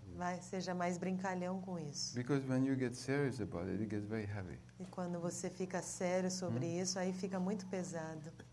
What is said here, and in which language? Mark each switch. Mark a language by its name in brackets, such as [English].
[Portuguese] Vai, seja mais brincalhão com isso. [English] Because when you get serious about it, it gets very heavy. [Portuguese] E quando você fica sério sobre isso, aí fica muito pesado.